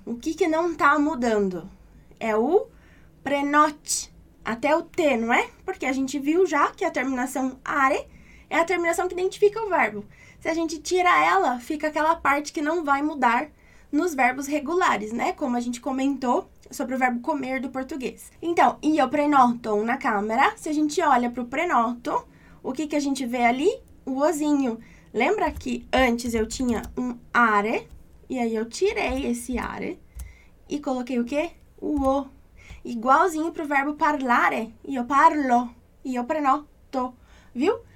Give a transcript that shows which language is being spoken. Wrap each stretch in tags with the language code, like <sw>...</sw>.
<pt>O que que não tá mudando? É o prenote. Até o T, não é? Porque a gente viu já que a terminação are é a terminação que identifica o verbo. Se a gente tira ela, fica aquela parte que não vai mudar nos verbos regulares, né? Como a gente comentou sobre o verbo comer do português.</pt> <it>Então, io prenoto una camera.</it> <pt>Se a gente olha para o prenoto, o que que a gente vê ali? O ozinho. Lembra que antes eu tinha um are e aí eu tirei esse are e coloquei o quê? O o. Igualzinho para o verbo parlare, io parlo, io prenoto, viu?</pt>